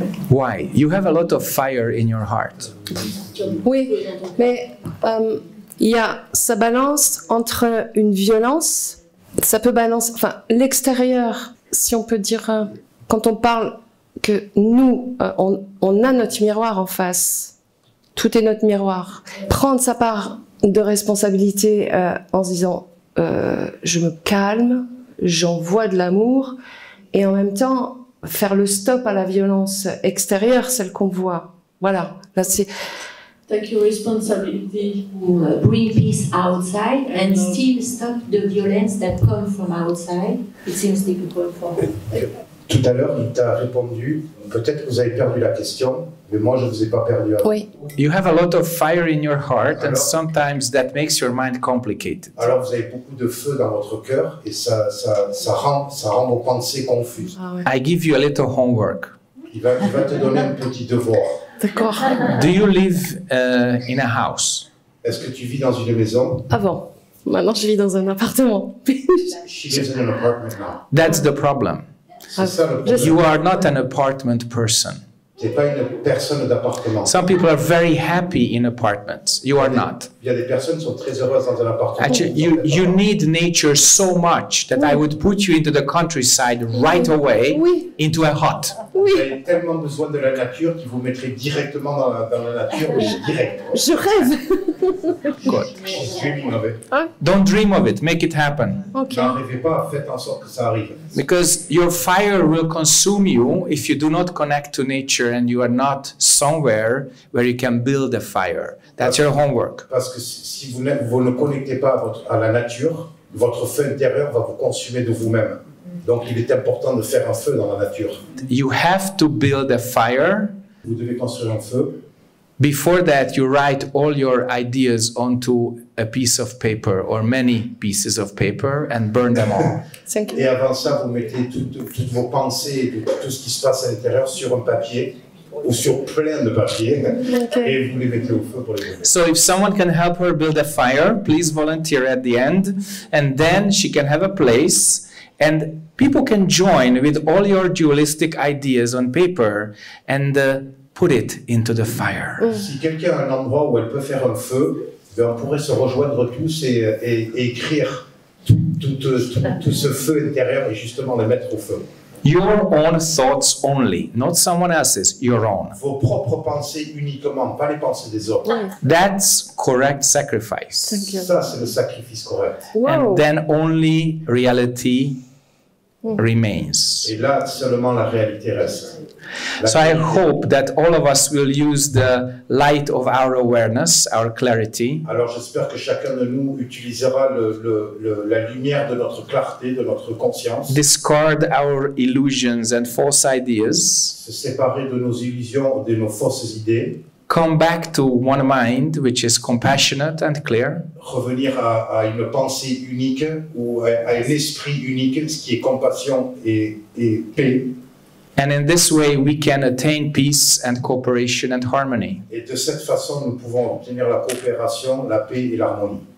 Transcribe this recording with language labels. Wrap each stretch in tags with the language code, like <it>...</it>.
<en>Why? You have a lot of fire in your heart.</en> <fr>Oui, mais ça balance entre une violence, ça peut balancer, enfin, l'extérieur, si on peut dire, quand on parle que nous, on a notre miroir en face, tout est notre miroir, prendre sa part de responsabilité en se disant je me calme, j'envoie de l'amour, et en même temps, faire le stop à la violence extérieure, celle qu'on voit. Voilà, là c'est...</fr> <en>Take your responsibility. Bring peace outside and still stop the violence that comes from outside. It seems difficult for me.</en> <fr>Tout à l'heure, il t'a répondu, peut-être que vous avez perdu la question, mais moi je ne vous ai pas perdu. Oui.</fr> <en>You have a lot of fire in your heart, alors, and sometimes that makes your mind complicated.</en> <fr>Alors vous avez beaucoup de feu dans votre cœur et ça rend vos pensées confuses. Ah, oui.</fr> <en>I give you a little homework.</en> <fr>Il va te donner un petit devoir. D'accord.</fr> <en>Do you live in a house?</en> <fr>Est-ce que tu vis dans une maison? Avant. Maintenant je vis dans un appartement.</fr> <en>She lives in an apartment now. That's the problem. You are not an apartment person.</en> <fr>C'est pas une personne d'appartement.</fr> <en>Some people are very happy in apartments. You are not.</en> <fr>Il y a des personnes qui sont très heureuses dans un appartement.</fr> <en>Actually, you need nature so much that I would put you into the countryside right away into a hut.</en> <fr>Vous avez tellement besoin de la nature qu'il vous mettrait directement dans la nature direct. Je rêve.</fr> <en>Good. Dream of it. Don't dream of it. Make it happen. Okay.</en> <fr>N'en rêvez pas. Faites en sorte que ça arrive.</fr> <en>Because your fire will consume you if you do not connect to nature and you are not somewhere where you can build a fire. That's your homework.</en> <fr>Parce que si vous ne connectez pas à la nature, votre feu intérieur va vous consumer de vous-même. Donc il est important de faire un feu dans la nature.</fr> <en>You have to build a fire.</en> <fr>Vous devez construire un feu.</fr> <en>Before that, you write all your ideas onto a piece of paper or many pieces of paper and burn them all. Thank you.</en> <fr>Et avant ça, vous mettez toutes vos pensées et tout ce qui se passe à l'intérieur sur un papier ou sur plein de papiers et vous les mettez au feu pour les</fr> <en>So if someone can help her build a fire, please volunteer at the end and then she can have a place and people can join with all your dualistic ideas on paper and put it into the fire.</en> <fr>Si quelqu'un a un endroit où elle peut faire un feu, ben on pourrait se rejoindre tous et écrire tout ce feu intérieur et justement le mettre au feu.</fr> <en>Your own thoughts only, not someone else's, your own.</en> <fr>Vos propres pensées uniquement, pas les pensées des autres.</fr> <en>That's correct sacrifice.</en> <fr>Ça, c'est le sacrifice correct.</fr> <en>Wow. And then only reality remains.</en> <fr>Et là, seulement la réalité reste.</fr> <en>So I hope that all of us will use the light of our awareness, our clarity.</en> <fr>Alors j'espère que chacun de nous utilisera la lumière de notre clarté, de notre conscience.</fr> <en>Discard our illusions and false ideas.</en> <fr>Se séparer de nos illusions et de nos fausses idées.</fr> <en>Come back to one mind which is compassionate and clear.</en> <fr>Revenir à une pensée unique ou à un esprit unique, ce qui est compassion et paix.</fr> <en>And in this way, we can attain peace and cooperation and harmony.</en> <fr>Et de cette façon, nous pouvons obtenir la coopération, la paix et l'harmonie.</fr>